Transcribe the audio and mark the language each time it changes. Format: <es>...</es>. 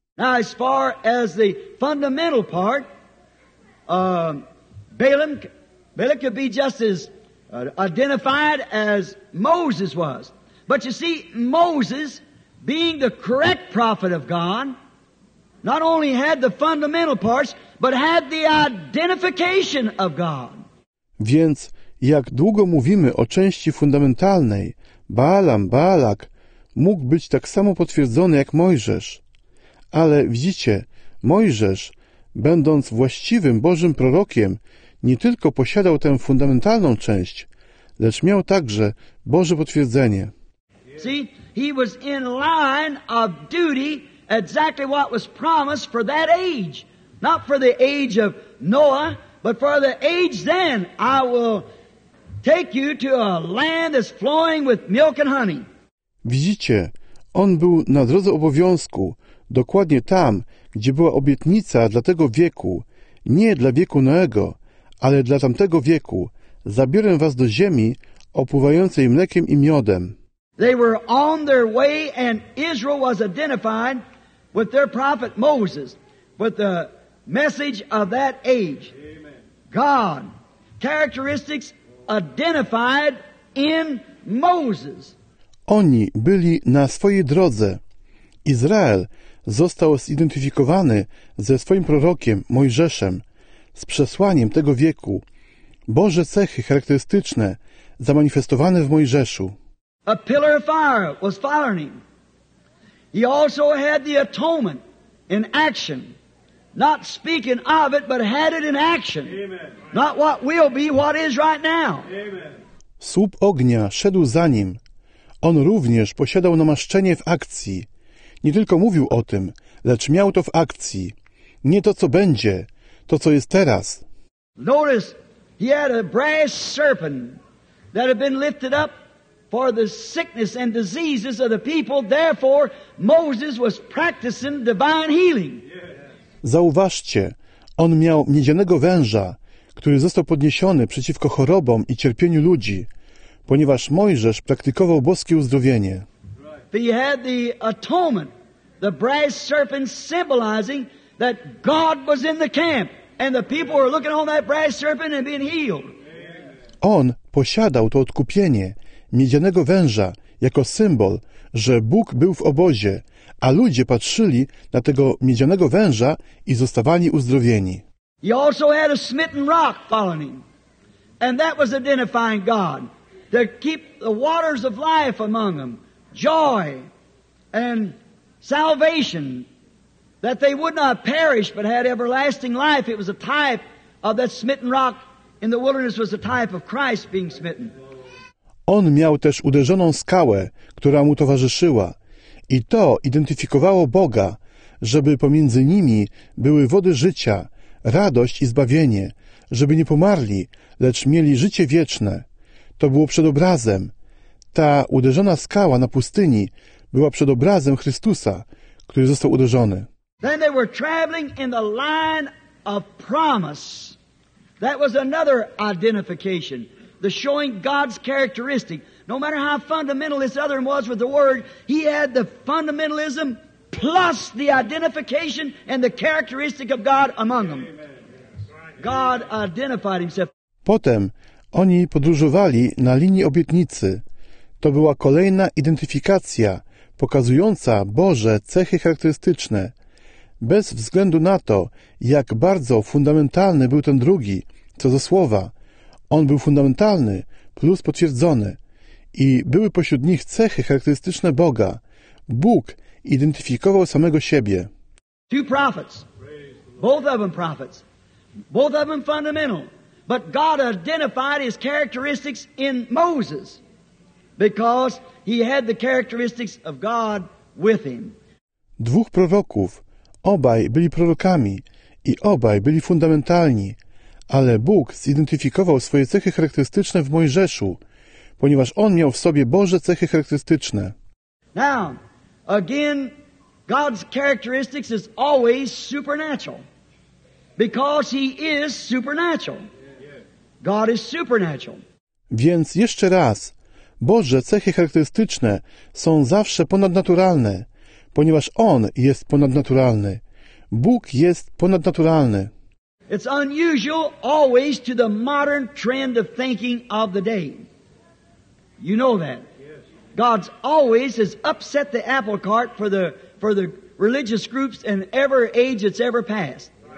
<en>Now as far as the fundamental part, Balaam could be just as identified as Moses was. But you see, Moses, being the correct prophet of God, not only had the fundamental parts, but had the identification of God.</en> <pl>Więc jak długo mówimy o części fundamentalnej, Balaam, Balak mógł być tak samo potwierdzony jak Mojżesz. Ale widzicie, Mojżesz, będąc właściwym Bożym prorokiem, nie tylko posiadał tę fundamentalną część, lecz miał także Boże potwierdzenie.</pl> <en>See, he was in line of duty, exactly what was promised for that age. Not for the age of Noah, but for the age then, I will take you to a land that's flowing with milk and honey.</en> <pl>Widzicie, on był na drodze obowiązku, dokładnie tam, gdzie była obietnica dla tego wieku, nie dla wieku Noego, ale dla tamtego wieku. Zabiorę was do ziemi opływającej mlekiem i miodem.</pl> <en>They were on their way, and Israel was identified with their prophet Moses, with the message of that age. God characteristics identified in Moses.</en> <pl>Oni byli na swojej drodze. Izrael został zidentyfikowany ze swoim prorokiem Mojżeszem, z przesłaniem tego wieku. Boże cechy charakterystyczne zamanifestowane w Mojżeszu.</pl> <en>A pillar of fire was following him. He also had the atonement in action. Not speaking of it, but had it in action. Amen. Not what will be, what is right now. Amen.</en> <pl>Słup ognia szedł za nim. On również posiadał namaszczenie w akcji. Nie tylko mówił o tym, lecz miał to w akcji. Nie to, co będzie, to, co jest teraz.</pl> <en>Notice, he had a brass serpent that had been lifted up for the sickness and diseases of the people. Therefore, Moses was practicing divine healing.</en> <pl>Zauważcie, on miał miedzianego węża, który został podniesiony przeciwko chorobom i cierpieniu ludzi, ponieważ Mojżesz praktykował boskie uzdrowienie.</pl> <en>He had the atonement, the brass serpent symbolizing that God was in the camp and the people were looking on that brass serpent and being healed.</en> <pl>On posiadał to odkupienie miedzianego węża jako symbol, że Bóg był w obozie, a ludzie patrzyli na tego miedzianego węża i zostawali uzdrowieni.</pl> <en>He also had a smitten rock following him, and that was identifying God to keep the waters of life among them. Joy and salvation, that they would not perish but had everlasting life. It was a type of that smitten rock in the wilderness, was a type of Christ being smitten.</en> <pl>On miał też uderzoną skałę, która mu towarzyszyła, i to identyfikowało Boga, żeby pomiędzy nimi były wody życia, radość i zbawienie, żeby nie pomarli, lecz mieli życie wieczne. To było przedobrazem. Ta uderzona skała na pustyni była przedobrazem Chrystusa, który został uderzony.</pl> <en>Then they were traveling in the line of promise. That was another identification, the showing God's characteristic. No matter how fundamental this other one was with the word, he had the fundamentalism plus the identification and the characteristic of God among them. God identified himself.</en> <pl>Potem oni podróżowali na linii obietnicy. To była kolejna identyfikacja pokazująca Boże cechy charakterystyczne. Bez względu na to, jak bardzo fundamentalny był ten drugi, co do słowa, on był fundamentalny plus potwierdzony i były pośród nich cechy charakterystyczne Boga. Bóg identyfikował samego siebie.</pl> <en>Two prophets, both of them prophets, both of them fundamental, but God identified his characteristics in Moses. Because he had the characteristics of God with him.</en> <pl>Dwóch proroków, obaj byli prorokami i obaj byli fundamentalni, ale Bóg zidentyfikował swoje cechy charakterystyczne w Mojżeszu, ponieważ on miał w sobie Boże cechy charakterystyczne.</pl> <en>Now, again, God's characteristics is always supernatural. Because he is supernatural. God is supernatural.</en> <pl>Więc jeszcze raz, Boże cechy charakterystyczne są zawsze ponadnaturalne, ponieważ On jest ponadnaturalny. Bóg jest ponadnaturalny.</pl> <en>It's unusual always to the modern trend of thinking of the day. You know that. God's always has upset the apple cart for the religious groups in every age it's ever passed.</en>